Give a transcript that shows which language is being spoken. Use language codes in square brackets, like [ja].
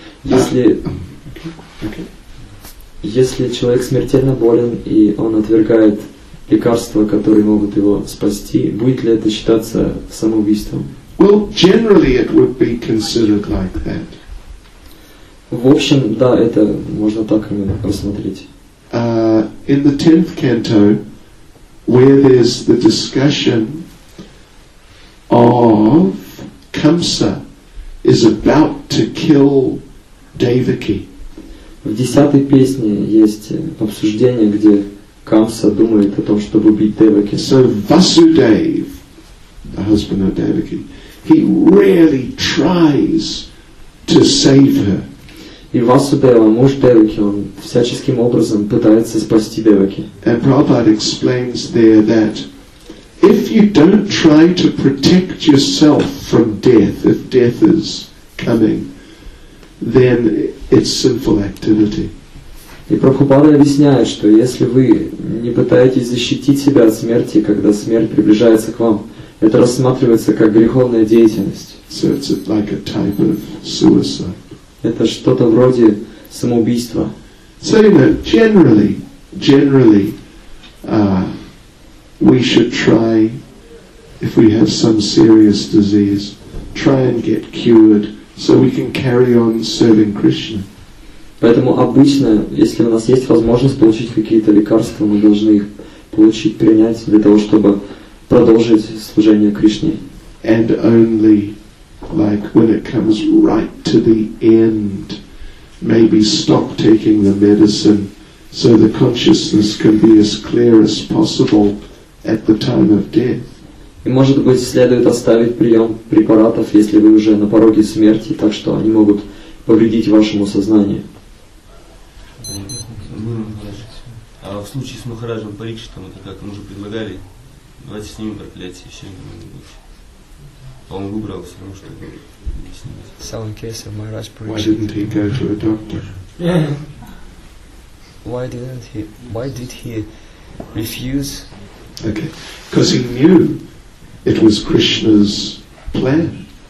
[ru] Если если человек смертельно болен и он отвергает лекарства, которые могут его спасти, будет ли это считаться самоубийством? [en] Well, generally it would be considered like that. [ru] В общем, да, это можно так именно рассмотреть. [en] In the 10th canto, where there's the discussion of Kamsa is about to kill Devaki. [ru] В 10-й песне есть обсуждение, где Камса думает о том, чтобы убить Деваки. [en] So Vasudev, the husband of Devaki, he really tries to save her. [ru] И Васудева, муж Деваки, он всяческим образом пытается спасти Деваки. [en] And Prabhupada explains there that if you don't try to protect yourself from death, if death is coming, then it's sinful activity. [ru] И Прабхупада объясняет, что если вы не пытаетесь защитить себя от смерти, когда смерть приближается к вам, это рассматривается как греховная деятельность. [en] So it's like a type of suicide. [ru] Это что-то вроде самоубийства. [en] So, you know, generally, we should try, if we have some serious disease, try and get cured, so we can carry on serving Krishna. [ru] Поэтому обычно, если у нас есть возможность получить какие-то лекарства, мы должны их получить, принять для того, чтобы продолжить служение Кришне. [en] And only, like when it comes right to the end, maybe stop taking the medicine, so the consciousness can be as clear as possible at the time of death. [ru] И, может быть, следует оставить прием препаратов, если вы уже на пороге смерти, так что они могут повредить вашему сознанию. А в случае с Махараджем Парикшитом, это как мы уже предлагали, давайте снимем проклятие, все это может быть. Он выбрал все равно, чтобы снимать. [en] Some case of Maharaj Parikshita. Why didn't he go to a doctor? Why did he refuse? Okay. Because he knew it was Krishna's plan.